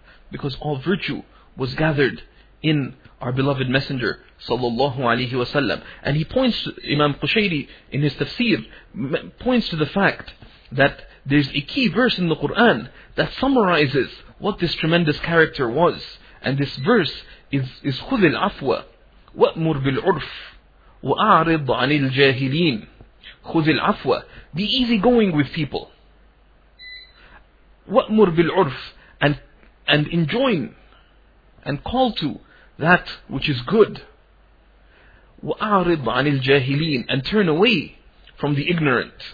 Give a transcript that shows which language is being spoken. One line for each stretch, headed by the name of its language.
English: Because all virtue was gathered in our beloved Messenger sallallahu alayhi wa sallam. And he points to, Imam Qushayri in his tafsir, points to the fact that there's a key verse in the Qur'an that summarizes what this tremendous character was. And this verse is
Arabic: خُذِ الْعَفْوَ وَأْمُرْ بِالْعُرْفِ وَأَعْرِضْ عَنِ الْجَاهِلِينَ. خُذِ الْعَفْوَ,
English: be easygoing with people.
Arabic: وَأْمُرْ بِالْعُرْفِ,
English: and enjoin and call to that which is good.
Arabic: وَأَعْرِضْ عَنِ الْجَاهِلِينَ,
English: and turn away from the ignorant.